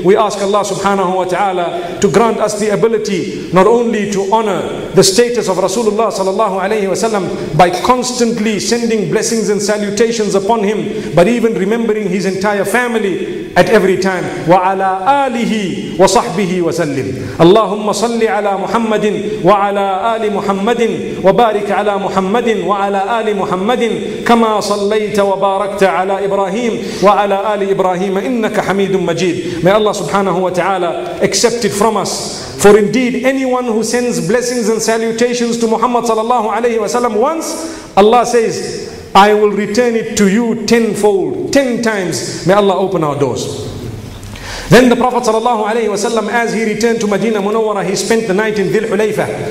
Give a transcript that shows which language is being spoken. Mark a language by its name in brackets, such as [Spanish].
[English] We ask Allah subhanahu wa ta'ala to grant us the ability not only to honor the status of Rasulullah sallallahu alayhi wa sallam by constantly sending blessings and salutations upon him, but even remembering his entire family at every time. [Arabic] Wa ala alihi wa sahbihi wa sallim. Allahumma salli ala Muhammadin wa ala ali Muhammad وبارك على محمد وعلى آل محمد كما صليت وباركت على إبراهيم وعلى آل إبراهيم إنك حميد مجيد. [English] May Allah subhanahu wa ta'ala accept it from us. For indeed, anyone who sends blessings and salutations to Muhammad sallallahu alayhi wa sallam once, Allah says, I will return it to you tenfold, 10 times. May Allah open our doors. Then the Prophet sallallahu alayhi wa sallam, as he returned to Madinah Munawwara, he spent the night in Dhil Hulayfa.